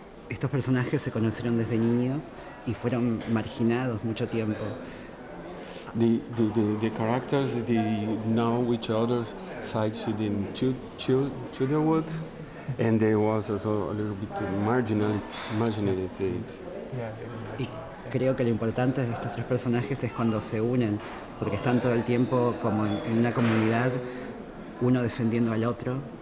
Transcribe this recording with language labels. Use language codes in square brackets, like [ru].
[es] Estos personajes se conocieron desde niños y fueron marginados mucho tiempo. [en] The characters, they know each other's sides in childhood, and they was also a little bit marginalized. [es] Y creo que lo importante de estos tres personajes es cuando se unen, porque están todo el tiempo como en una comunidad, uno defendiendo al otro.